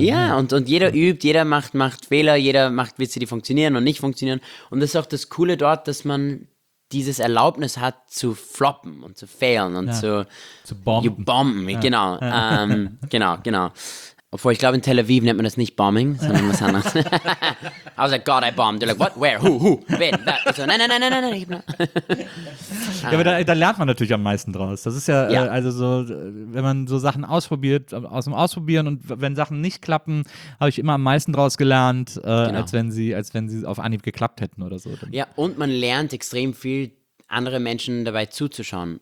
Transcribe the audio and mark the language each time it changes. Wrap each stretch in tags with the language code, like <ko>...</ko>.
<de>Ja, und jeder übt, jeder macht Fehler, jeder macht Witze, die funktionieren und nicht funktionieren. Und das ist auch das Coole dort, dass man dieses Erlaubnis hat, zu floppen und zu failen und, ja, zu bomben. Ja. Genau. Ja. Genau. Obwohl, ich glaube, in Tel Aviv nennt man das nicht Bombing, sondern was anderes.</de> <en>I was like, God, I bombed. They're like, what, where, who, when, so, nein.</en> <de>Ja, aber da lernt man natürlich am meisten draus. Das ist ja, ja, also so, wenn man so Sachen ausprobiert, aus dem Ausprobieren, und wenn Sachen nicht klappen, habe ich immer am meisten draus gelernt, genau, als wenn sie auf Anhieb geklappt hätten oder so. Ja, und man lernt extrem viel, andere Menschen dabei zuzuschauen.</de>